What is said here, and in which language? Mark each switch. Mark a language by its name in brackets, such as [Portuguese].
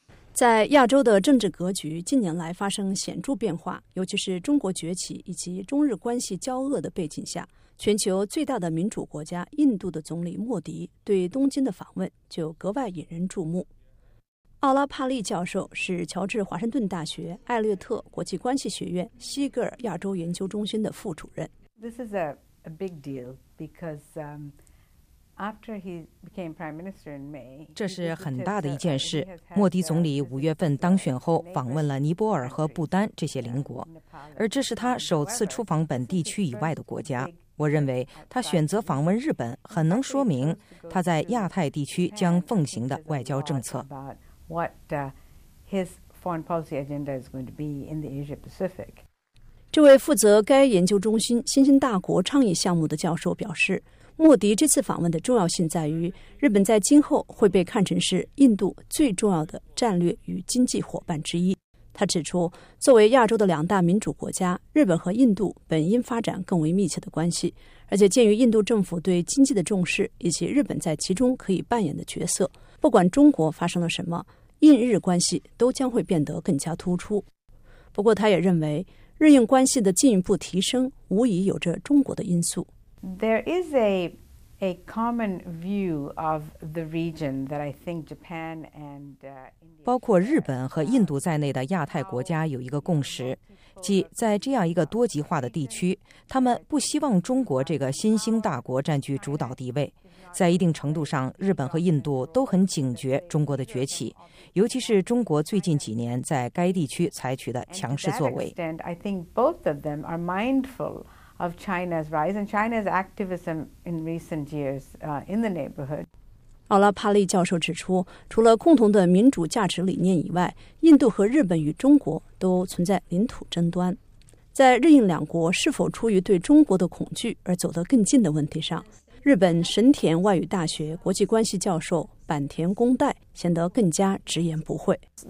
[Chinese] 在亚洲的政治格局近年来发生显著变化，尤其是中国崛起以及中日关系交恶的背景下，全球最大的民主国家印度的总理莫迪对东京的访问就格外引人注目。奥拉帕利教授是乔治华盛顿大学艾略特国际关系学院西格尔亚洲研究中心的副主任。 [English] This is a big deal because after he became prime minister in May, [Chinese] 这是很大的一件事。莫迪总理五月份当选后访问了尼泊尔和不丹这些邻国，而这是他首次出访本地区以外的国家。我认为他选择访问日本，很能说明他在亚太地区将奉行的外交政策。这位负责该研究中心新兴大国倡议项目的教授表示，莫迪这次访问的重要性在于日本在今后会被看成是印度最重要的战略与经济伙伴之一。他指出，作为亚洲的两大民主国家，日本和印度本应发展更为密切的关系，而且鉴于印度政府对经济的重视以及日本在其中可以扮演的角色，不管中国发生了什么，印日关系都将会变得更加突出。不过他也认为，日印关系的进一步提升无疑有着中国的因素。 [English] There is a common view of the region that I think Japan and [Chinese] 包括日本和印度在内的亚太国家有一个共识，即在这样一个多极化的地区，他们不希望中国这个新兴大国占据主导地位。在一定程度上，日本和印度都很警觉中国的崛起，尤其是中国最近几年在该地区采取的强势作为。 [English] I think both of them are mindful of China's rise and China's activism in recent years in the neighborhood. [Chinese] 奥拉帕利教授指出，除了共同的民主价值理念以外，印度和日本与中国都存在领土争端。在日印两国是否出于对中国的恐惧而走得更近的问题上，日本神田外语大学国际关系教授坂田公代显得更加直言不讳。